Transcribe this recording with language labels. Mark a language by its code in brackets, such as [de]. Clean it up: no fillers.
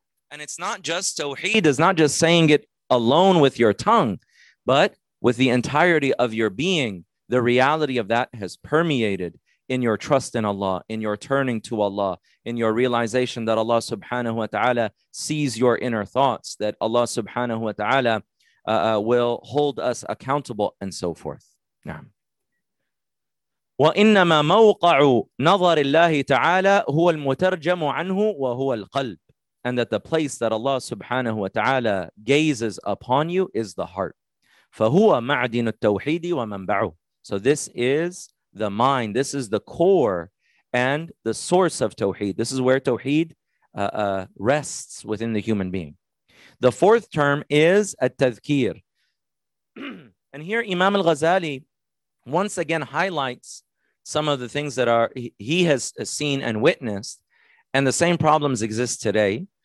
[en] And it's not just tawheed, it's not just saying it alone with your tongue, but with the entirety of your being, the reality of that has permeated in your trust in Allah, in your turning to Allah, in your realization that Allah subhanahu wa ta'ala sees your inner thoughts, that Allah subhanahu wa ta'ala will hold us accountable and so forth. [ar] نعم. وإنما موقع نظر الله تعالى هو المترجم عنه وهو القلب. [en] And that the place that Allah subhanahu wa ta'ala gazes upon you is the heart. [ar] فهو معدن التوحيد ومنبعه. [en] So this is the mind. This is the core and the source of tawheed. This is where tawheed rests within the human being. The fourth term is at-tadhkir. And here Imam al-Ghazali once again highlights some of the things that he has seen and witnessed, and the same problems exist today.